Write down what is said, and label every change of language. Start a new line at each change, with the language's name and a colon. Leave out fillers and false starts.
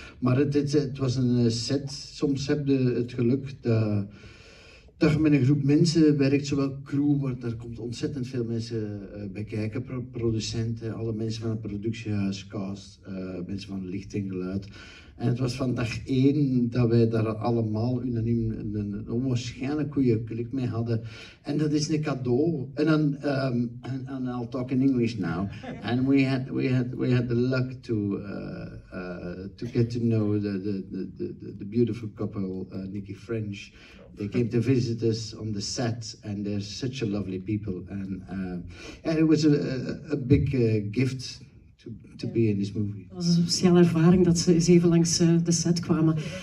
Dutch: Maar het was een set. Soms heb je het geluk dat je met een groep mensen werkt, zowel crew, maar daar komt ontzettend veel mensen bij kijken. Producenten, alle mensen van het productiehuis, cast, mensen van licht en geluid. En het was van dag één dat wij daar allemaal unaniem een onwaarschijnlijk goede klik mee hadden. En dat is een cadeau. En dan,
English: and I'll talk in English now. And we had the luck to get to know the beautiful couple, Nikki French. They came to visit us on the set, and they're such a lovely people. And it was a big gift to be in this movie.
Dutch: Het was een speciale ervaring dat ze eens even langs de set kwamen.